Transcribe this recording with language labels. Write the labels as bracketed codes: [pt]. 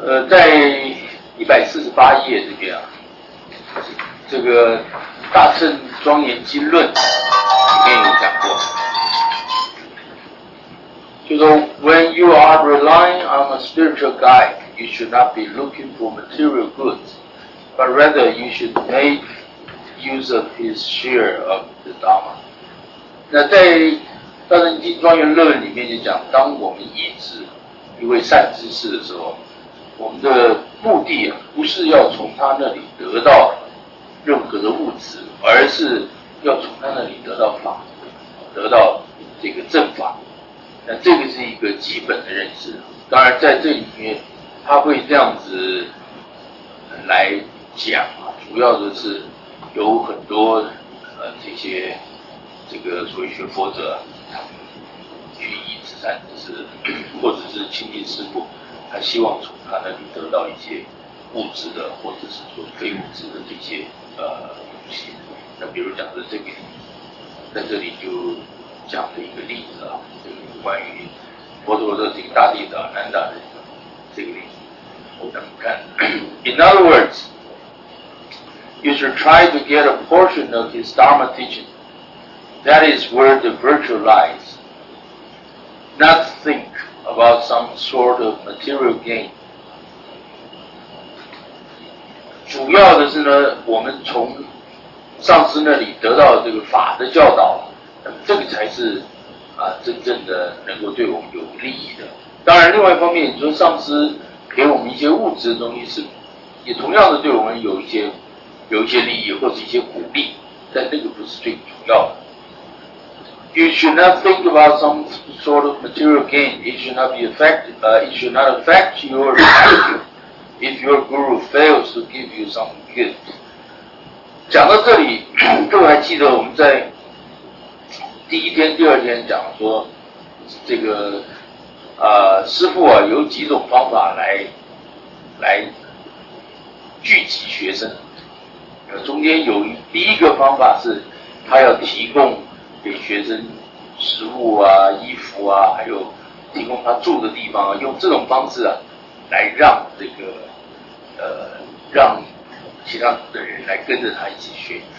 [zh] 在148页这边啊，这个《大乘庄严经论》里面有讲过，就说 [en] When you are relying on a spiritual guide, you should not be looking for material goods, but rather you should make use of his share of the Dharma. [zh] 那在《大乘经庄严论》里面就讲，当我们依止一位善知识的时候，我们的目的啊，不是要从他那里得到任何的物质，而是要从他那里得到法，得到这个正法。那这个是一个基本的认识。当然，在这里面，他会这样子来讲啊，主要的是有很多这些这个所谓学佛者去依止善知识，或者是亲近师父。他希望从他那里得到一些物质的，或者是说非物质的这些东西。那比如讲的这个，在这里就讲了一个例子啊，就是关于佛陀的这个大弟子阿难达的这个例子。我们看， [en] In other words, you should try to get a portion of his Dharma teaching, That is where the virtue lies. Not think about some sort of material gain. [zh] 主要的是呢，我们从上师那里得到这个法的教导，这个才是啊真正的能够对我们有利益的。当然，另外一方面，你说上师给我们一些物质的东西是，也同样的对我们有一些利益或者一些鼓励，但那个不是最主要的。 [en] You should not think about some sort of material gain. It should not affect your attitude if your guru fails to give you some gift. [zh] 讲到这里，各位还记得我们在第一天、第二天讲说，这个师父啊，有几种方法来聚集学生。中间有第一个方法是，他要提供给学生食物啊、衣服啊，还有提供他住的地方啊，用这种方式啊，来让这个让其他的人来跟着他一起学。